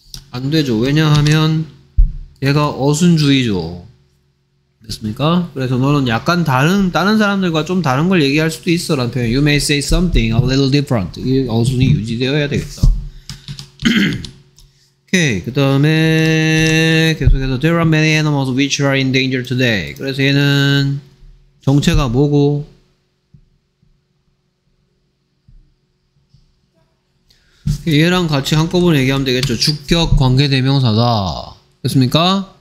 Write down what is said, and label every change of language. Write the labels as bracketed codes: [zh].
[ko] 안 되죠. 왜냐하면 얘가 어순주의죠. 됐습니까? 그래서 너는 약간 다른 사람들과 좀 다른 걸 얘기할 수도 있어 라는 표현. [en] You may say something a little different. [ko] 이 어순이 유지되어야 되겠다. 오케이. 그 다음에 계속해서 [en] There are many animals which are in danger today. [ko] 그래서 얘는 정체가 뭐고? 얘랑 같이 한꺼번에 얘기하면 되겠죠. 주격 관계대명사다. 됐습니까?